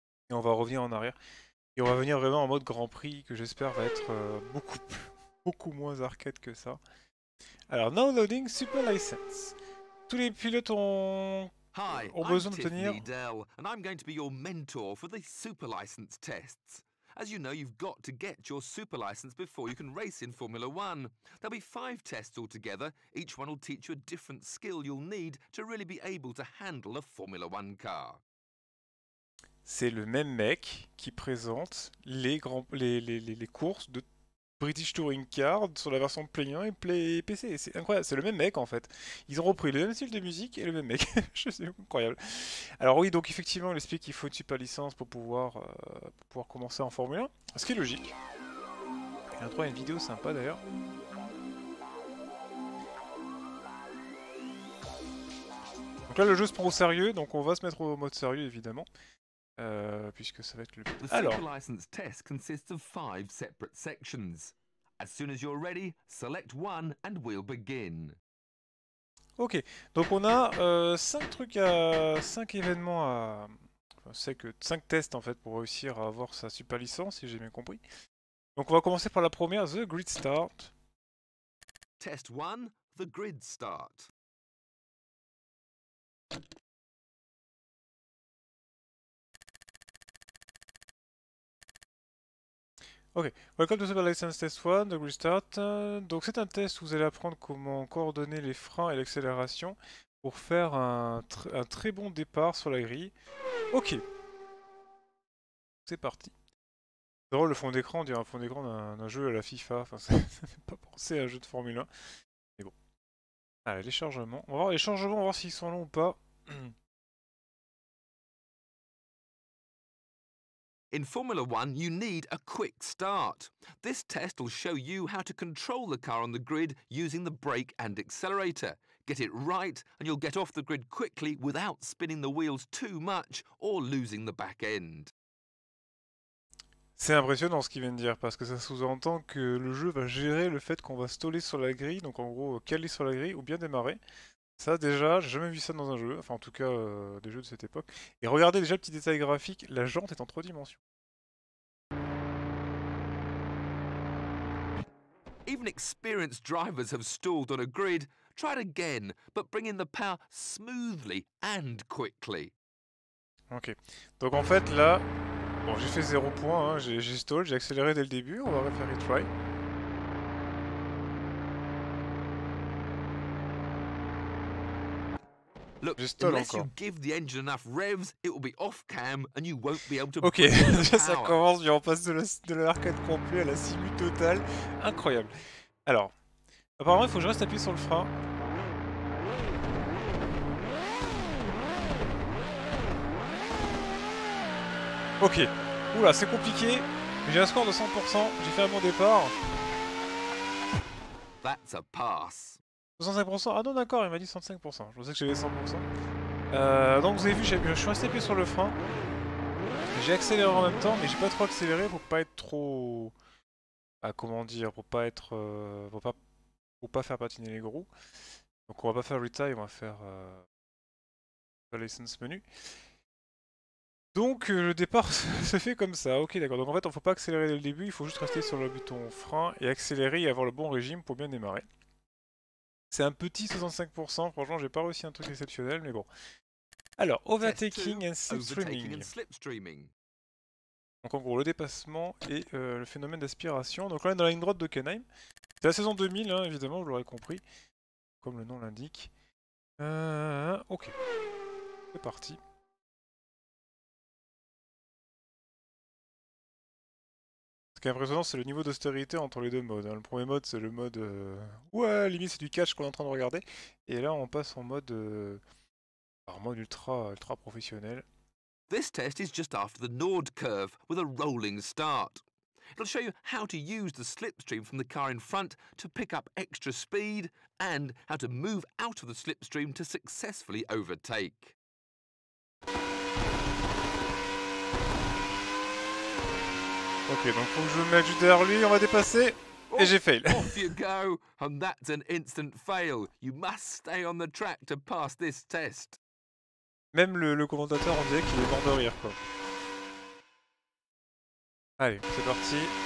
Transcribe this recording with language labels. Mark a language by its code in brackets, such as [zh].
[fr] Et on va revenir en arrière. Et on va venir vraiment en mode grand prix que j'espère va être beaucoup moins arcade que ça. Alors [en] now loading super license. [fr] Tous les pilotes ont besoin de tenir. [en] Hi, I'm Tiffany Dell, and I'm going to be your mentor for the super license tests. As you know, you've got to get your super license before you can race in Formula 1. There'll be 5 tests altogether. Each one will teach you a different skill you'll need to really be able to handle a Formula 1 car. [fr] C'est le même mec qui présente les courses de British Touring Car sur la version Play 1 et Play PC. C'est incroyable, c'est le même mec en fait. Ils ont repris le même style de musique et le même mec. C'est incroyable. Alors oui, donc effectivement, il explique qu'il faut une super licence pour pouvoir commencer en Formule 1. Ce qui est logique. Il y a une vidéo sympa d'ailleurs. Donc là, le jeu se prend au sérieux, donc on va se mettre au mode sérieux évidemment. Puisque ça va être le but. [en] Alors. The super license test consists of 5 separate sections. As soon as you're ready, select one and we'll begin. [fr] Ok, donc on a 5 événements à. Enfin, c'est que 5 tests en fait pour réussir à avoir sa super licence, si j'ai bien compris. Donc on va commencer par la première, The Grid Start. [en] Test 1, The Grid Start. Ok, welcome to Super License Test 1, the restart. [fr] Donc c'est un test où vous allez apprendre comment coordonner les freins et l'accélération pour faire un très bon départ sur la grille. Ok. C'est parti. C'est drôle, le fond d'écran, on dirait un fond d'écran d'un jeu à la FIFA. Enfin, ça fait pas penser à un jeu de Formule 1. Mais bon. Allez, les chargements. On va voir les chargements, on va voir s'ils sont longs ou pas. [en] In Formula 1, you need a quick start. This test will show you how to control the car on the grid using the brake and accelerator. Get it right and you'll get off the grid quickly without spinning the wheels too much or losing the back end. [fr] C'est impressionnant ce qu'il vient de dire parce que ça sous-entend que le jeu va gérer le fait qu'on va staller sur la grille, donc en gros caler sur la grille ou bien démarrer. Ça déjà, j'ai jamais vu ça dans un jeu, enfin en tout cas des jeux de cette époque. Et regardez déjà le petit détail graphique, la jante est en 3 dimensions. [en] Even experienced drivers have stalled on a grid. Try it again, but bring in the power smoothly and quickly. [fr] Ok, donc en fait là, bon j'ai fait 0 points, hein. j'ai stall, j'ai accéléré dès le début, on va refaire retry. [en] Look, unless you give the engine enough revs, it will be off cam and you won't be able to. [fr] Ok, déjà ça commence, on passe de l'arcade complet à la simu totale. Incroyable. Alors, apparemment il faut que je reste appuyé sur le frein. Ok, oula, c'est compliqué. J'ai un score de 100%, j'ai fait un bon départ. [en] That's a pass. [fr] 65%? Ah non, d'accord, il m'a dit 65%. Je pensais que j'avais 100%. Donc vous avez vu, je suis resté appuyé sur le frein. J'ai accéléré en même temps, mais j'ai pas trop accéléré pour pas être trop. Ah, comment dire? Pour pas être. Pour pas faire patiner les roues. Donc on va pas faire retry, on va faire. Le license menu. Donc le départ se fait comme ça. Ok, d'accord. Donc en fait, on faut pas accélérer dès le début, il faut juste rester sur le bouton frein et accélérer et avoir le bon régime pour bien démarrer. C'est un petit 65%, franchement j'ai pas réussi un truc exceptionnel, mais bon. [en] Alors, overtaking and slipstreaming. [fr] Donc en gros, le dépassement et le phénomène d'aspiration. Donc là, on est dans la ligne droite de Kenheim. C'est la saison 2000, hein, évidemment, vous l'aurez compris, comme le nom l'indique. Ok, c'est parti. qui est impressionnant, c'est le niveau d'austérité entre les deux modes. Le premier mode, c'est le mode. Ouais, limite, c'est du catch qu'on est en train de regarder. Et là, on passe en mode. En mode ultra, ultra professionnel. [en] This test is just after the Nord curve with a rolling start. It'll show you how to use the slipstream from the car in front to pick up extra speed and how to move out of the slipstream to successfully overtake. [fr] Ok, donc faut que je me mette juste derrière lui, on va dépasser. Et j'ai fail. [en] Off you go, and that's an instant fail. You must stay on the track to pass this test. [fr] Même le commentateur, on dirait qu'il est mort de rire, quoi. Allez, c'est parti.